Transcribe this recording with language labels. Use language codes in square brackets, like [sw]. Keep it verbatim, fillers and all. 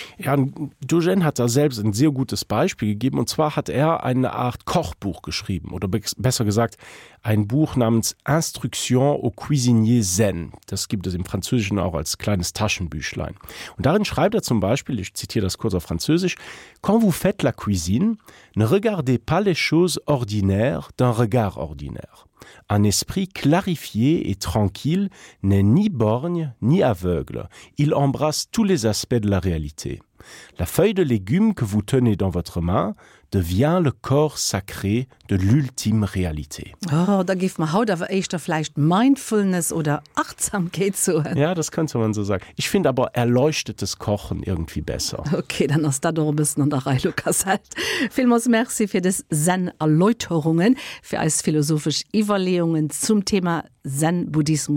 [de] Ja, Dujardin hat da selbst ein sehr gutes Beispiel gegeben, und zwar hat er eine Art Kochbuch geschrieben oder be- besser gesagt ein Buch namens Instruction au cuisinier zen. Das gibt es im Französischen auch als kleines Taschenbüchlein. Und darin schreibt er zum Beispiel, ich zitiere das kurz auf Französisch: [fr] Quand vous faites la cuisine, ne regardez pas les choses ordinaires d'un regard ordinaire. Un esprit clarifié et tranquille n'est ni borgne ni aveugle. Il embrasse tous les aspects de la réalité. La feuille de légumes que vous tenez dans votre main devient le corps sacré de l'ultime réalité. [de] Oh, da gibt man heute aber echt vielleicht Mindfulness oder Achtsamkeit zu. Ja, das könnte man so sagen. Ich finde aber erleuchtetes Kochen irgendwie besser. Okay, dann hast du da doch ein bisschen an der Reihe, Lukas. Halt. Vielmals merci für das Zen-Erläuterungen, für als philosophische Überlegungen zum Thema Zen-Buddhismus.